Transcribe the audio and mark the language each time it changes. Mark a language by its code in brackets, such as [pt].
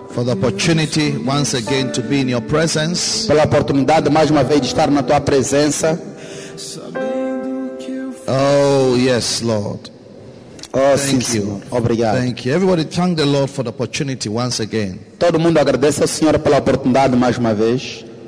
[en] For the opportunity once again to be in your presence. [pt] Pela oportunidade mais uma vez de estar na tua presença. [en] Oh yes, Lord. Oh, thank [pt] sim, [en] you. [pt] Senhor. Obrigado. [en] Thank you. Everybody thank the Lord for the opportunity once again. [pt] Todo mundo agradece ao Senhor pela oportunidade mais uma vez.